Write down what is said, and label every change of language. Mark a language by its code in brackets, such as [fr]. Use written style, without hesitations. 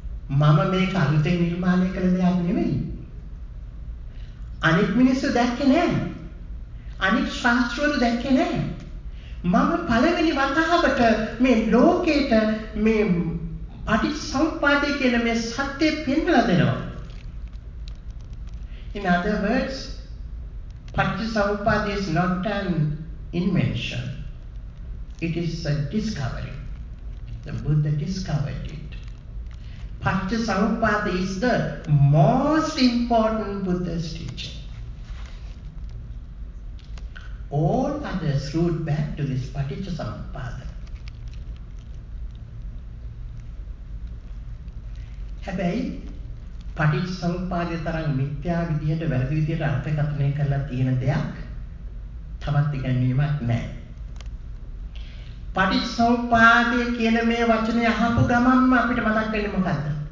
[si] මම මේක අලුතෙන් නිර්මාණය කළ දෙයක් නෙවෙයි. අනිත් මිනිස්සු දැක්කේ නැහැ. අනිත් ශාස්ත්‍රවරු දැක්කේ නැහැ. මම පළවෙනි වතාවට මේ ලෝකේට මේ පටිච්චසමුප්පාදයේ කියන මේ සත්‍යය පෙන්වලා දෙනවා. [en] In other words, paticcasamuppada is not an invention. It is a discovery. The Buddha discovered it. Paticcasamuppada is the most important Buddha's teaching. All others root back to this පටිච්චසමුප්පාදය. [si] හැබැයි පටිච්චසමුප්පාදය තරම් මිත්‍යා විදිහට වැරදි විදිහට අර්ථකථනය කරලා තියෙන දෙයක් තවත් ඉගැන්වීමක් නැහැ. පටිච්චසමුප්පාදය කියන මේ වචනේ අහපු ගමන්ම අපිට මතක් වෙන්නේ මොකක්ද?